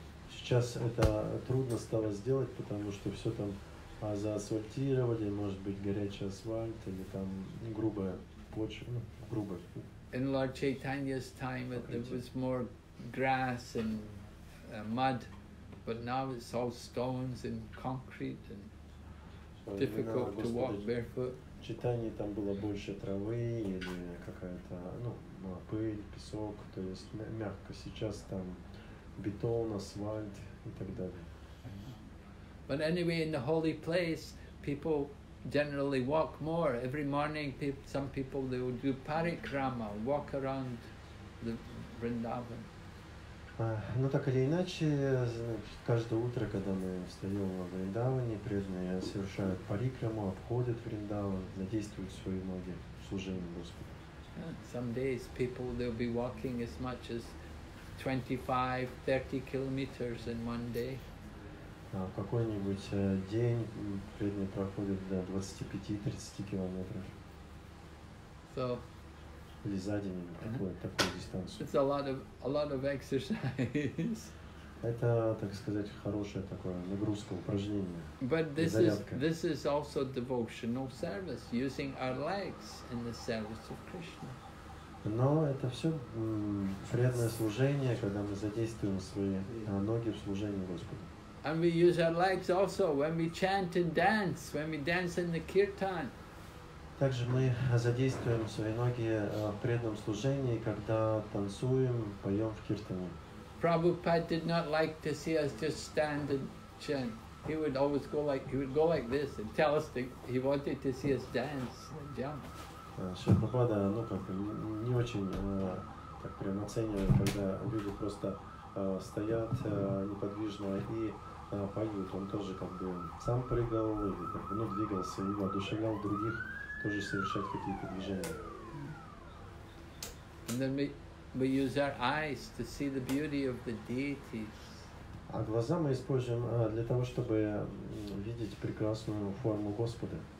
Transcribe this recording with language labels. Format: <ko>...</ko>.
<ru>Сейчас это трудно стало сделать, потому что все там. А заасфальтировали, может быть, горячий асфальт или там грубая почва, ну, грубая.</ru> <en>In Lord Chaitanya's time, there was more grass and mud, but now it's all stones and concrete and difficult to walk barefoot.</en> <ru>В Чайтанье там было больше травы или какая-то, ну, пыль, песок, то есть мягко. Сейчас там бетон, асфальт и так далее.</ru> <en>But anyway, in the holy place, people generally walk more. Every morning, some people, they would do parikrama, walk around the Vrindavan.</en> <ru>Ну, так или иначе, значит, каждое утро, когда мы встаем в Вриндаване, преданные совершают парикраму, обходят Вриндаван, задействуют свои ноги в служении Господу.</ru> <en>Some days, people, they'll be walking as much as 25-30 kilometers in one day.</en> <ru>В какой-нибудь день преданные проходят до 25-30 километров.</ru> <en>So,</en> <ru>или за день проходят такую дистанцию.</ru> <en>It's a lot of exercise.</en> <ru>Это, так сказать, хорошая такая нагрузка, упражнение.</ru> <en>But this is also devotional service, using our legs in the service of Krishna.</en> <ru>Но это все преданное служение, когда мы задействуем свои ноги в служении Господу.</ru> <en>And we use our legs also when we chant and dance, when we dance in the kirtan.</en> <ru>Также мы задействуем свои ноги в преданном служении, когда танцуем, поем в киртане.</ru> <en>Prabhupada did not like to see us just stand and chant. He would always go like this and tell us that he wanted to see us dance and jump.</en> <ru>Шрила Прабхупада, ну как, не очень так прям оценивает, когда люди просто стоят неподвижно и поют. Он тоже как бы сам прыгал, и, как бы, ну, двигался и воодушевлял других тоже совершать какие-то движения.</ru> <en>And then we use our eyes to see the beauty of the deities.</en> <ru>А глаза мы используем для того, чтобы видеть прекрасную форму Господа.</ru>